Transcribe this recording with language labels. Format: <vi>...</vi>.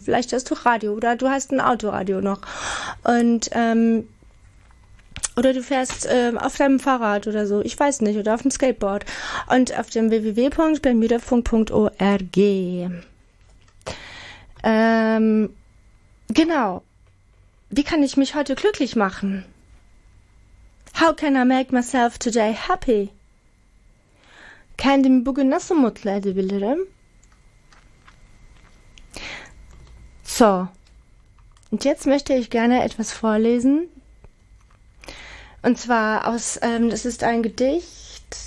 <de>Vielleicht hast du Radio oder du hast ein Autoradio noch. Und oder du fährst auf deinem Fahrrad oder so, ich weiß nicht, oder auf dem Skateboard. Und auf dem www.bermudafunk.org. Genau. Wie kann ich mich heute glücklich machen?</de> <en>How can I make myself today happy?</en> <tr>Kendimi bugün nasıl mutlu edebilirim?</tr> <de>So. Und jetzt möchte ich gerne etwas vorlesen. Und zwar aus, das ist ein Gedicht.</de>